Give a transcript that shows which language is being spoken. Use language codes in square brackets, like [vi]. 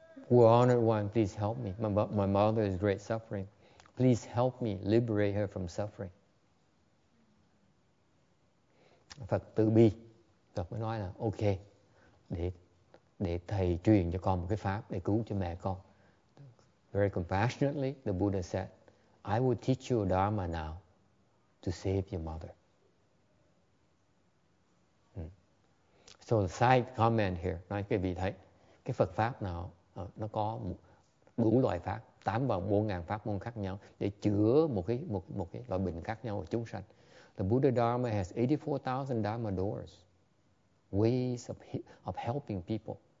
[en] We're honored one, please help me. My mother is great suffering. Please help me liberate her from suffering. [vi] Phật từ bi, Phật mới nói là, ok, để thầy truyền cho con một cái pháp để cứu cho mẹ con. [en] Very compassionately, the Buddha said, I will teach you a dharma now to save your mother. So the side comment here, [vi] nói quý vị thấy, cái Phật Pháp nào, nó có đủ loại Pháp, 84,000 Pháp môn khác nhau, để chữa một cái loại bệnh khác nhau ở chúng sanh. [en] The Buddha Dharma has 84,000 Dharma doors, ways of helping people.